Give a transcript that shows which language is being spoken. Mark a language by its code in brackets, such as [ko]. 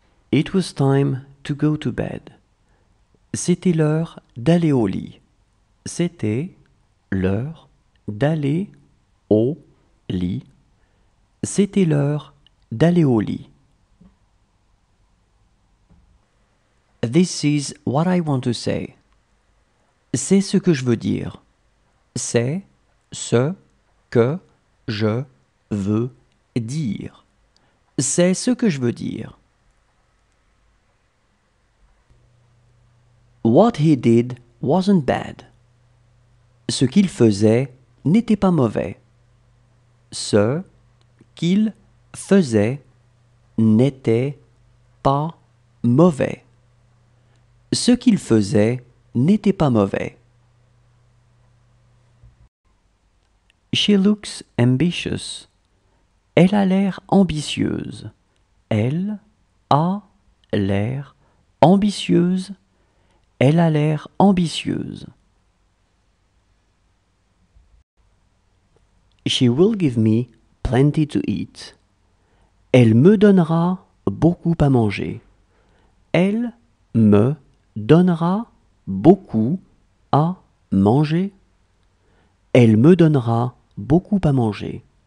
[en] It was time to go to bed. [fr] C'était l'heure d'aller au lit. C'était l'heure d'aller au lit. C'était l'heure d'aller au lit. [en] This is what I want to say. [fr] C'est ce que je veux dire. C'est ce que je veux dire. C'est ce que je veux dire. [en] What he did wasn't bad. [fr] Ce qu'il faisait n'était pas mauvais. Ce qu'il faisait n'était pas mauvais. Ce qu'il faisait n'était pas mauvais. [en] She looks ambitious. [fr] Elle a l'air ambitieuse. Elle a l'air ambitieuse. Elle a l'air ambitieuse. [en] She will give me plenty to eat. [fr] Elle me donnera beaucoup à manger. Elle me donnera beaucoup à manger. Elle me donnera beaucoup à manger.